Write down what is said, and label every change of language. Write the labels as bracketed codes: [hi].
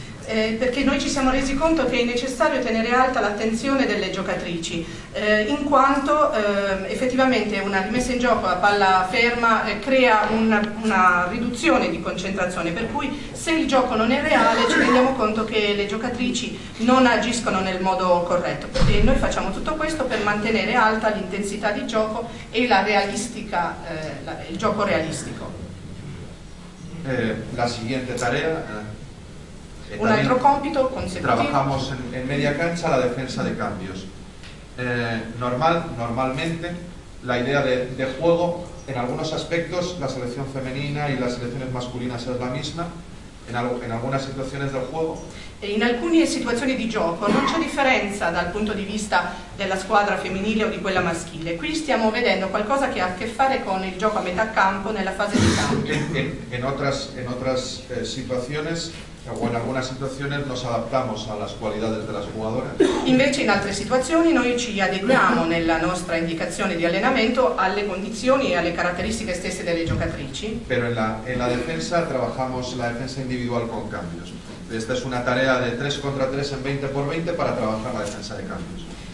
[it] Perché noi ci siamo resi conto che è necessario tenere alta l'attenzione delle giocatrici, in quanto effettivamente una rimessa in gioco a palla ferma crea una riduzione di concentrazione, per cui se il gioco non è reale ci rendiamo conto che le giocatrici non agiscono nel modo corretto. E noi facciamo tutto questo per mantenere alta l'intensità di gioco e la realistica, il gioco realistico. [es] La siguiente tarea. [it] Un altro compito consecutivo. [es] Trabajamos en media cancha la defensa de cambios. Normalmente la idea de juego en algunos aspectos, la selección femenina y las selecciones masculinas es la misma, en algunas situaciones del juego. [it] E in alcune situazioni di gioco non c'è differenza dal punto di vista della squadra femminile o di quella maschile. Qui stiamo vedendo qualcosa che ha a che fare con il gioco a metà campo nella fase di campo. [es] En otras situaciones... O en algunas situaciones nos adaptamos a las cualidades de las jugadoras. [it] Invece in altre situazioni noi ci adeguiamo nella nostra indicazione di allenamento alle condizioni e alle caratteristiche stesse delle giocatrici. [es] Pero en la defensa trabajamos la defensa individual con cambios. Esta es una tarea de 3 contra 3 en 20 por 20 para trabajar la defensa de cambios.